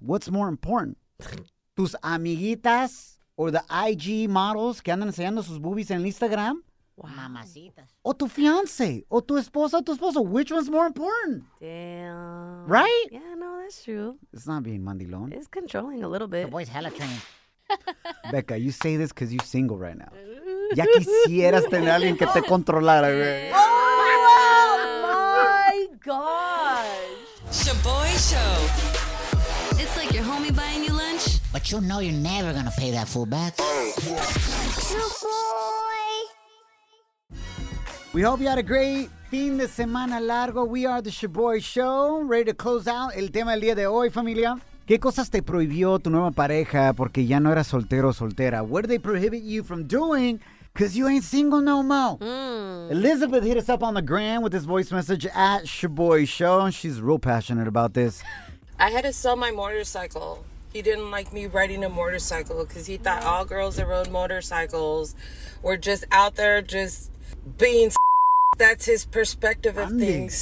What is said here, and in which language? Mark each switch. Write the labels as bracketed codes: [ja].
[en] What's more important? [es] Tus amiguitas [en] or the IG models [es] que andan enseñando sus [en] boobies en Instagram? [es] Mamacitas. O tu fiance, o tu esposa, o tu esposo. [en] Which one's more important? Damn. Right? Yeah, no, that's true. It's not being mandilón. It's controlling a little bit. The boy's hella trained. Becca, you say this because you're single right now. [es] Ya quisieras tener alguien que te controlara, güey. [en] Oh, my gosh. Shaboy Show. It's like your homie buying you lunch. But you know you're never going to pay that full back. Shaboy. We hope you had a great [es] fin de semana largo. [en] We are the Shaboy Show. [es] Ready to close out el tema del día de hoy, familia. ¿Qué cosas te prohibió tu nueva pareja porque ya no eras soltero o soltera? [en] What did they prohibit you from doing because you ain't single no more? Elizabeth hit us up on the gram with this voice message at Shaboy Show. She's real passionate about this. I had to sell my motorcycle. He didn't like me riding a motorcycle because he thought all girls that rode motorcycles were just out there just being that's his perspective of things.